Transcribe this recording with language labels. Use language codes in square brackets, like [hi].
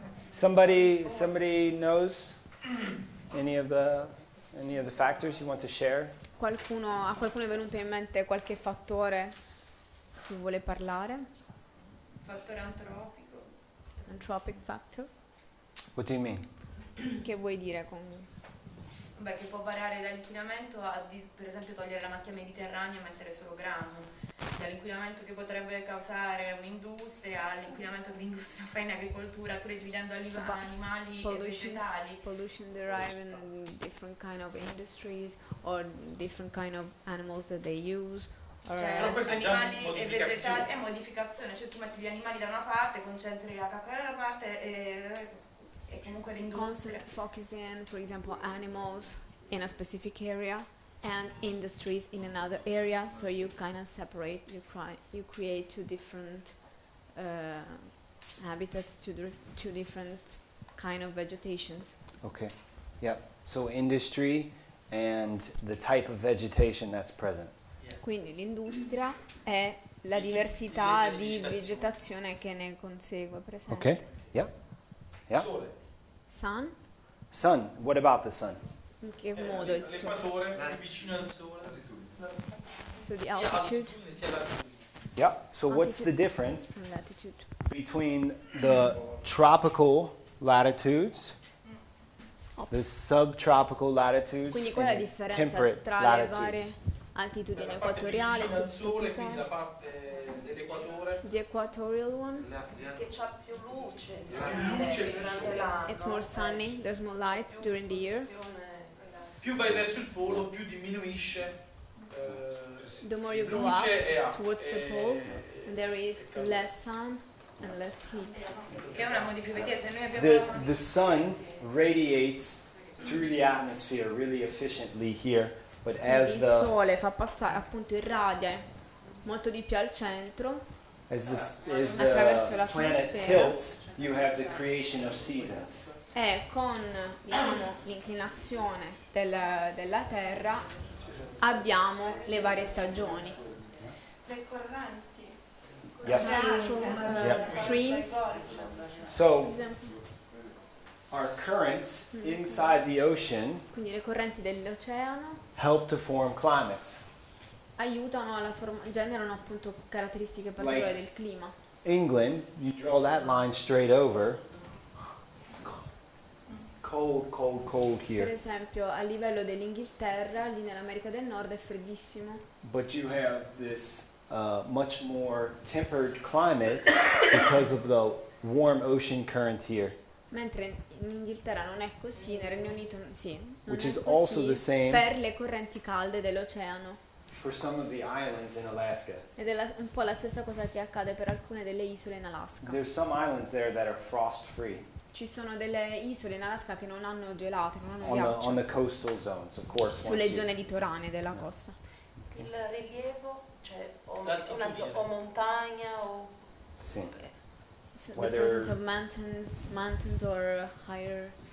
[en] Somebody knows any of the factors you want to share? [it] A qualcuno è venuto in mente qualche fattore che vuole parlare? Fattore antropico. [en] Anthropic factor. What do you mean? [it] Che vuoi dire con... Beh, che può variare dall'inquinamento a, per esempio, togliere la macchia mediterranea e mettere solo grano. dall'inquinamento che potrebbe causare un'industria all'inquinamento che l'industria fa in agricoltura, pure dividendo animali [en] pollution, [it] e vegetali. [en] Pollution deriving in different kind of industries or different kind of animals that they use. [it] Cioè, animali e vegetali, è modificazione, cioè tu metti gli animali da una parte, concentri la cacca da una parte e comunque l'industria. Concentri [en] focusing, for example, animals in a specific area and industries in another area, so you kind of separate, you create two different habitats, two different kind of vegetations. Okay, yeah, so industry and the type of vegetation that's present. [it] Quindi l'industria è la diversità di vegetazione che ne consegue, per esempio. [en] Okay, yeah, yeah. Sun. Sun, what about the sun? [it] In che modo il sole? L'equatore, vicino al sole. [en] So the altitude. Yeah, so altitude. What's the difference latitude between the tropical latitudes, the subtropical latitudes, [it] quindi qual è la differenza tra [en] latitudes? [it] Le varie altitudini equatoriali, sul sole, quindi la parte dell'equatore, [en] the equatorial one, [it] che c'ha più luce, durante l'anno. [en] It's more sunny, there's more light during the year. [it] Più vai verso il polo, più diminuisce. [en] The more you go up towards the pole, there is less sun and less heat. [it] Che è una modifica. [en] The sun radiates through the atmosphere really efficiently here. But as [it] il sole fa passare, appunto, irradia molto di più al centro. [en] As the planet tilts, you have the creation of seasons. [it] E con, diciamo, l'inclinazione della Terra abbiamo le varie stagioni. Le correnti. [en] Yes. Streams. So, our currents inside the ocean. [it] Quindi le correnti dell'oceano. [en] Help to form climates. [it] Aiutano alla generano appunto caratteristiche particolari [en] like [it] del clima. [en] England, you draw that line straight over. It's cold, cold, cold here. [it] Per esempio, a livello dell'Inghilterra, lì nell'America del Nord è freddissimo. [en] But you have this much more tempered climate because of the warm ocean current here. [it] Mentre in Inghilterra non è così, nel Regno Unito sì, non [en] which [it] è [en] is [it] così [en] also the same [it] per le correnti calde dell'oceano. [en] For some of the islands in Alaska. [it] Ed è un po' la stessa cosa che accade per alcune delle isole in Alaska. [en] There's some islands there that are frost free. [it] Ci sono delle isole in Alaska che non hanno gelate, non hanno ghiaccio. [en] On the coastal zones, of course. [it] Sulle zone litoranee della costa. Il rilievo, cioè o montagna o... Sì. [en] So the presence of mountains or higher.